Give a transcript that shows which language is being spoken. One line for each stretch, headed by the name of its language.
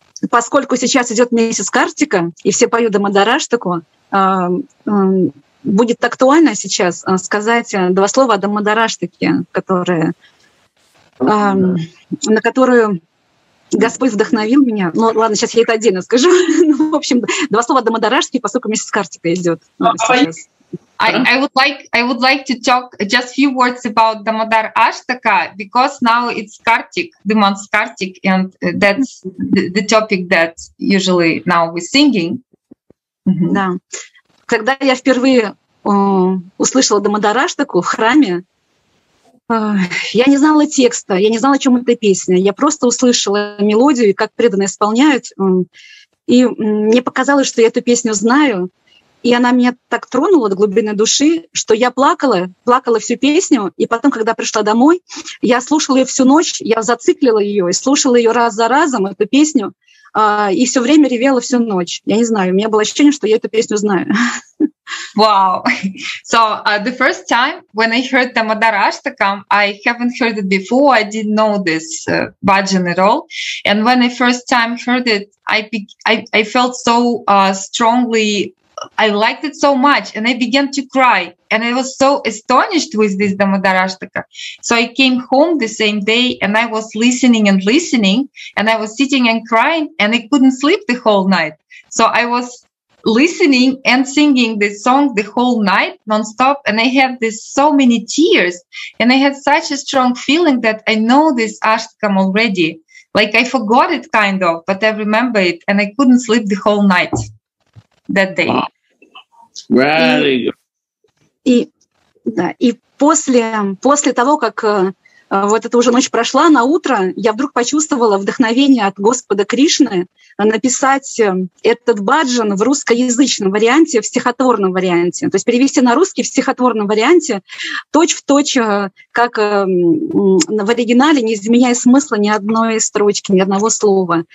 Russian: Поскольку сейчас идет месяц Картика, и все поют Дамодараштаку, будет актуально сейчас сказать два слова о Дамодараштаке, на которую Господь вдохновил меня. Ну ладно, сейчас я это отдельно скажу. Ну, в общем, два слова о Дамодараштаке, поскольку месяц Картика идет.
English: I would like to talk just few words about Damodar Ashtaka because now it's Kartik, the month Kartik, and that's the topic that usually now we're singing.
Russian: Mm-hmm. Да. Когда я впервые услышала Дамодар Аштаку в храме, я не знала текста, я не знала, о чем эта песня. Я просто услышала мелодию, как преданные исполняют. И мне показалось, что я эту песню знаю. И она меня так тронула до глубины души, что я плакала всю песню. И потом, когда пришла домой, я слушала ее всю ночь, я зациклила ее и слушала ее раз за разом, эту песню. И все время ревела всю ночь. Я не знаю, у меня было ощущение, что я эту песню знаю.
English: Wow. So the first time when I heard Damodar Ashtakam, I haven't heard it before. I didn't know this bhajan at all. And when I first time heard it, I felt so strongly I liked it so much, and I began to cry, and I was so astonished with this Damodarashtaka. So I came home the same day, and I was listening, and I was sitting and crying, and I couldn't sleep the whole night. So I was listening and singing this song the whole night, nonstop, and I had this so many tears, and I had such a strong feeling that I know this Ashtakam already. Like, I forgot it, kind of, but I remember it, and I couldn't sleep the whole night that day. Wow. Very good.
Russian: И после того, как вот эта уже ночь прошла, на утро я вдруг почувствовала вдохновение от Господа Кришны написать этот баджан в русскоязычном варианте, в стихотворном варианте. То есть перевести на русский в стихотворном варианте, точь-в-точь, как в оригинале, не изменяя смысла ни одной строчки, ни одного слова.